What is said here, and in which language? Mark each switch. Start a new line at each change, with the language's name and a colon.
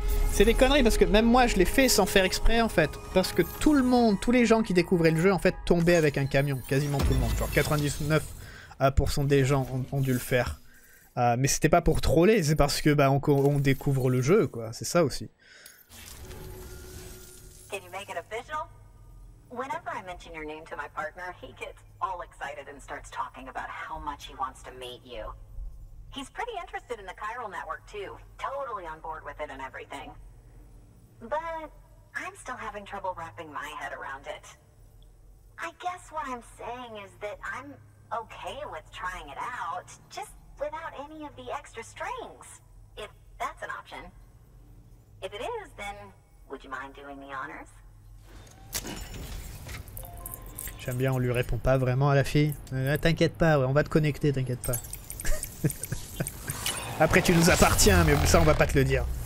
French: C'est des conneries parce que même moi je l'ai fait sans faire exprès en fait. Parce que tout le monde, tous les gens qui découvraient le jeu en fait tombaient avec un camion. Quasiment tout le monde. Genre 99% des gens ont dû le faire. Mais c'était pas pour troller, c'est parce que bah on découvre le jeu quoi. C'est ça aussi.
English: Can you make it official? Whenever I mention your name to my partner, he gets all excited and starts talking about how much he wants to meet you. He's pretty interested in the chiral network too, totally on board with it and everything. But I'm still having trouble wrapping my head around it. I guess what I'm saying is that I'm okay with trying it out, just without any of the extra strings, if that's an option. If it is, then would you mind doing the honors?
French: J'aime bien, on lui répond pas vraiment à la fille. T'inquiète pas, ouais, on va te connecter, t'inquiète pas. Après, tu nous appartiens, mais ça, on va pas te le dire.